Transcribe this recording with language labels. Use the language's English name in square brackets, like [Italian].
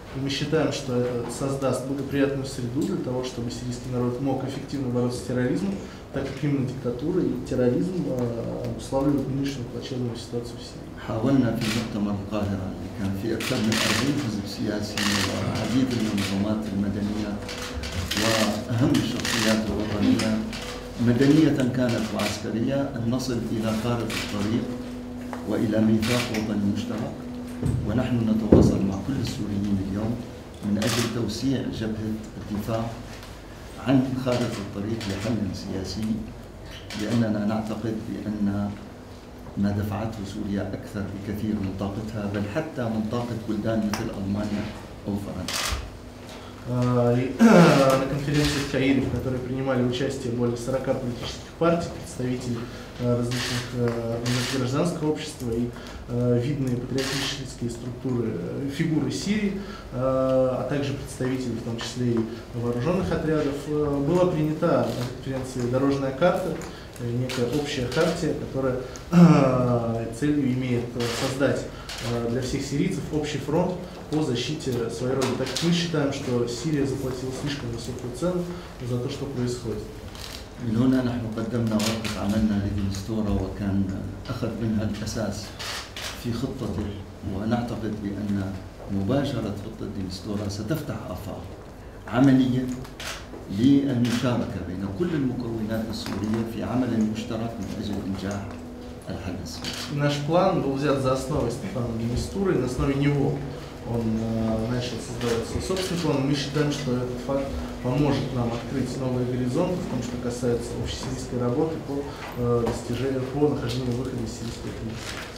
[Russian] считаем, что создаст благоприятную среду для того, чтобы сирийский народ мог эффективно бороться с терроризмом, так как именно диктатура и терроризм обуславливают нынешнюю плачевную ситуацию в Сирии. [Arabic] حاولنا في مؤتمر القاهرة اللي كان فيه أكثر من 40 حزب سياسي وعديد من المنظمات المدنية وأهم الشخصيات الوطنية مدنية كانت وعسكرية أن نصل إلى خارطة الطريق وإلى ميثاق وطني مشترك ونحن نتواصل مع كل السوريين اليوم من أجل توسيع جبهة الدفاع عن خارطة الطريق لحل سياسي لأننا نعتقد بأن ما دفعته سوريا أكثر بكثير من طاقتها بل حتى من طاقة بلدان مثل ألمانيا أو فرنسا. [Russian] На конференции в Каире, в которой принимали участие более 40 политических партий, представителей различных гражданского общества и видные патриотические структуры, фигуры Сирии, а также представители, в том числе и вооруженных отрядов, была принята на конференции дорожная карта, некая общая хартия, которая целью имеет создать для всех сирийцев общий фронт по защите своей родины. Так как мы считаем, что Сирия заплатила слишком высокую цену за то, что происходит. [Arabic] من هنا نحن قدمنا ورقة عملنا للدستورة وكان أخذ منها الأساس في خطته، ونعتقد بأن مباشرة خطة الدستورة ستفتح آفاق عملية للمشاركة بين كل المكونات السورية في عمل مشترك من أجل إنجاح الحل السوري. [Russian] Наш план был взят за основу Степана Демистуры, на основе него он начал создавать свой собственный план. Мы считаем, что этот факт поможет нам открыть новые горизонты в том, что касается общесирийской работы по достижению, по нахождению выхода из сирийской кризиса.